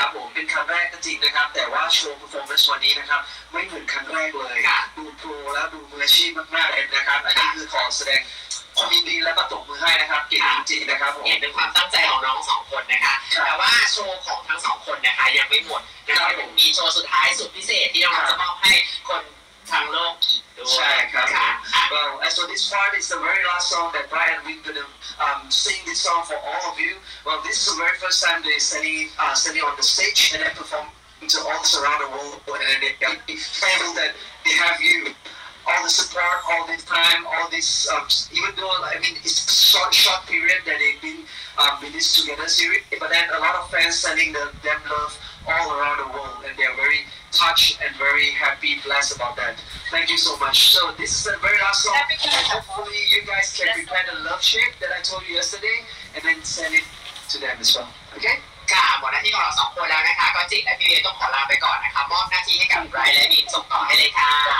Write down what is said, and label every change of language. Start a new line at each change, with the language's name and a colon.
Thai: ครับผมเป็นครั้งแรกก็จริงนะครับแต่ว่าโชว์เพอร์ฟอร์แมนซ์วันนี้นะครับไม่เหมือนครั้งแรกเลยดูโปรแล้วดูมืออาชีพมากๆเลยนะครับอันนี้คือขอแสดงความยินดีและประตบมือให้นะครับเก่งจริงๆนะครับผม เห็นเป็นความตั้งใจของน้องสองคนนะคะแต่ว่าโชว์ของทั้งสองคนนะคะยังไม่หมดนะครับผมมีโชว์สุดท้ายสุดพิเศษที่เราจะมอบให้คนทั้งโลกอีก
English: Well, and so this part is the very last song that Brian and Wynn gonna sing this song for all of you. Well, this is the very first time they're standing on the stage and then performing to all this around the world. And they're thankful that they have you, all the support, all this time, all this, even though, I mean, it's a short period that they've been in this together series, but then a lot of fans sending them love all around the world, and they're very... touch and very happy blessed about that thank you so much so this is the very last song hopefully you guys can prepare the love shape that I told you yesterday and then send it to them as well okay
Thai: ค่ะหมดหน้าที่ของเราสองคนแล้วนะคะก็จิและพี่เอต้องขอลาไปก่อนนะคะมอบหน้าที่ให้กับไรและบีส่งต่อให้เลยค่ะ